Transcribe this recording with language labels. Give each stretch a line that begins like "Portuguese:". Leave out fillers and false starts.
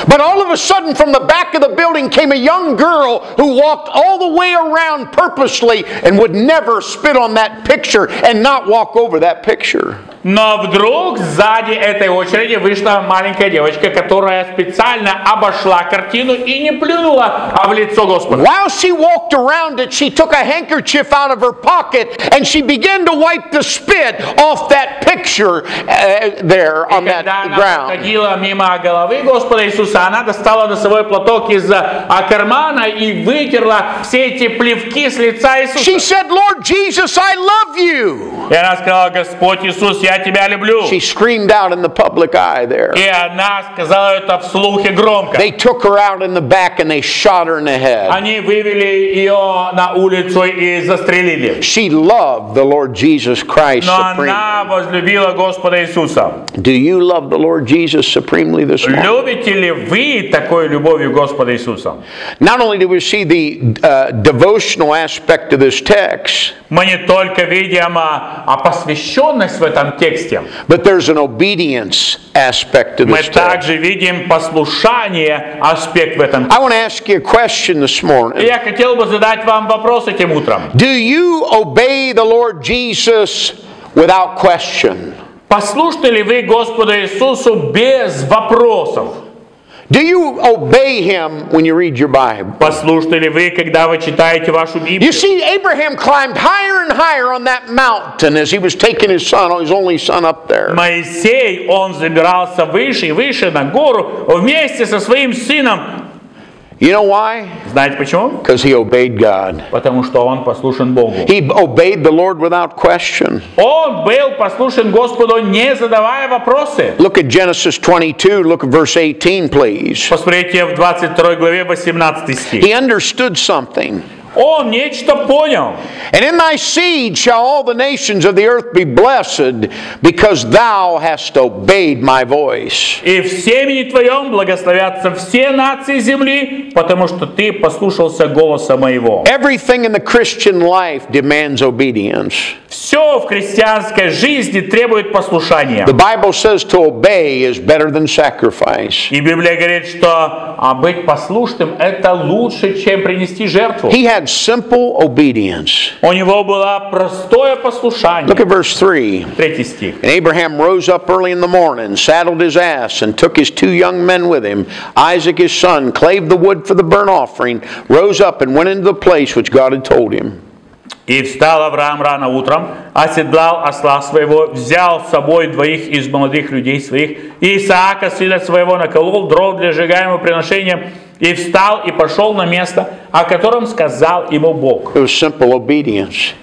English: But all of a sudden, from the back of the building came a young girl who walked all the way around purposely and would never spit on that picture and not walk over that picture.
Russian: Но вдруг сзади этой очереди вышла маленькая девочка, которая специально обошла картину и не плюнула в лицо Господа.
English: While she walked around it, she took a handkerchief out of her pocket and she began to wipe the spit off that picture there on that ground.
Russian: Когда она ходила мимо головы Господа Иисуса, она достала носовой платок из кармана и вытерла все эти плевки с лица Иисуса.
English: She said, "Lord Jesus, I love you."
Russian: И она сказала, Господь Иисус, я тебя люблю.
English: She screamed out in the public eye there.
Russian: И она сказала это вслух и громко.
English: They took her out in the back and they shot her in the head.
Russian: Они вывели ее на улицу и застрелили.
English: She loved the Lord Jesus Christ supremely.
Russian: Но она возлюбила Господа Иисуса.
English: Do you love the Lord Jesus supremely this morning?
Russian: Любите ли вы такой любовью Господа Иисуса?
English: Not only do we see the devotional aspect of this text.
Russian: Мы не только видим посвященность в этом тексте.
English: But there's an obedience aspect to this text.
Russian: Мы также видим послушание аспект в этом.
English: I want to ask you a question this morning.
Russian: Я хотел бы задать вам вопрос этим утром.
English: Do you obey the Lord Jesus without question?
Russian: Послушны ли вы Господу Иисусу без вопросов?
English: Do you obey him when you read your Bible?
Russian: Послушны ли вы, когда вы читаете вашу Библию?
English: You see, Abraham climbed higher and higher on that mountain as he was taking his son, his only son, up there.
Russian: Моисей, он забирался выше и выше на гору вместе со своим сыном.
English: You know why?
Russian: Знаете почему?
English: Because he obeyed God.
Russian: Потому что он послушен Богу.
English: He obeyed the Lord without question.
Russian: Он был послушен Господу, не задавая вопросы.
English: Look at Genesis 22, look at verse 18, please.
Russian: Посмотрите в 22 главе 18 стих.
English: He understood something.
Russian: Он нечто понял.
English: And in thy seed shall all the nations of the earth be blessed, because thou hast obeyed my voice.
Russian: И в семени твоем благословятся все нации земли, потому что ты послушался голоса моего.
English: Everything in the Christian life demands obedience.
Russian: Все в христианской жизни требует послушания.
English: The Bible says to obey is better than sacrifice.
Russian: И Библия говорит, что быть послушным это лучше, чем принести жертву.
English: He had simple obedience.
Russian: У него было простое послушание.
English: Look at verse 3. And Abraham rose up early in the morning, saddled his ass, and took his two young men with him. Isaac his son, clave the wood for the burnt offering, rose up and went into the place which God had told him.
Russian: И встал Авраам рано утром, оседлал осла своего, взял с собой двоих из молодых людей своих, и Исаака, сына своего, наколол дров для сжигаемого приношения, и встал и пошел на место, о котором сказал ему Бог.
English: It was simple obedience.